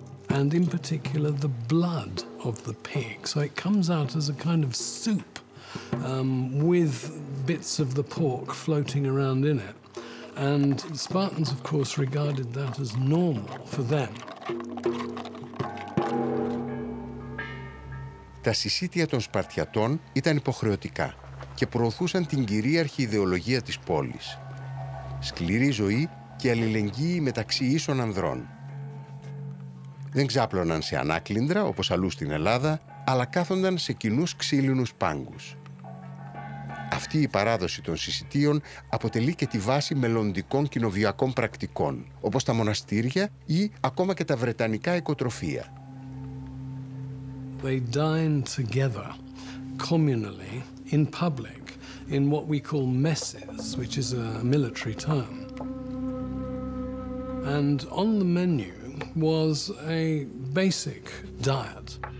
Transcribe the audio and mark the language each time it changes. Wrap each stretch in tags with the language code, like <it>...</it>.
<en>And in particular, the blood of the pig. So it comes out as a kind of soup. With bits of the pork floating around in it. And the Spartans, of course, regarded that as normal for them.</en> <el>Τα συσίτια των Σπαρτιατών ήταν υποχρεωτικά και προωθούσαν την κυρίαρχη ιδεολογία της πόλης. Σκληρή ζωή και αλληλεγγύη μεταξύ ίσων ανδρών. Δεν ξάπλωναν σε ανάκλυντρα, όπως αλλού στην Ελλάδα, αλλά κάθονταν σε κοινούς ξύλινους πάγκους. Αυτή η παράδοση των συσιτίων αποτελεί και τη βάση μελλοντικών κοινοβιακών πρακτικών, όπως τα μοναστήρια ή ακόμα και τα βρετανικά οικοτροφεία.</el> <en>They dined together, communally, in public, in what we call messes, which is a military term. And on the menu was a basic diet.</en>